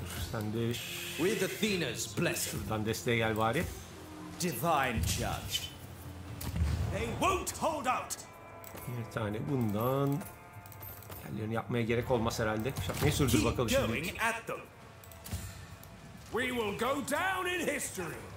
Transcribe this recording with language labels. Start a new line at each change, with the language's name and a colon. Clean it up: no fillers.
Turkish: Sen de
English: with Athena's blessing.
Turkish: Şuradan desteğe gel bari.
English: Divine charge. They won't hold out.
Turkish: Bir tane bundan yerlerini yapmaya gerek olmaz herhalde. Şapkayı sürdür bakalım şimdi.
English: Going at them. We will go down in history.